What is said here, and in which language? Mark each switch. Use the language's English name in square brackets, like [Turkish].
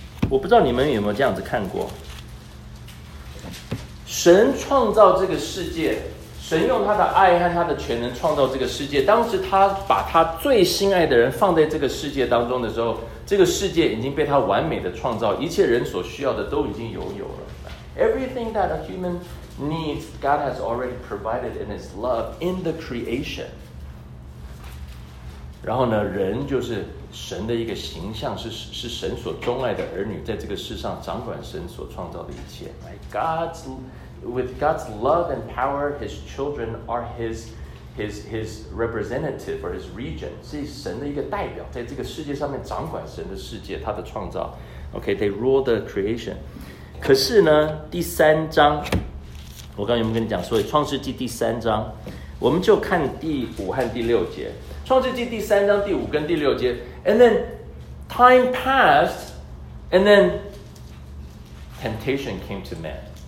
[Chinese] 我不知道你们有没有这样子看过，神创造这个世界，神用他的爱和他的全能创造这个世界，当时他把他最心爱的人放在这个世界当中的时候，这个世界已经被他完美的创造，一切人所需要的都已经有了。 [English] Everything that a human needs, God has already provided in His love in the creation. [Chinese] 然后呢，人就是神的一个形象，是神所钟爱的儿女，在这个世上掌管神所创造的一切。 [English] Right? With God's love and power, His children are His representative or His regent. [Chinese] 是神的一个代表，在这个世界上面掌管神的世界，他的创造。 [English] Okay, they rule the creation. [Chinese] 可是呢，第三章，我刚刚有没有跟你讲，所以创世纪第三章，我们就看第五和第六节。创世纪第三章第五跟第六节 [English] ，and then time passed， and then temptation came to man。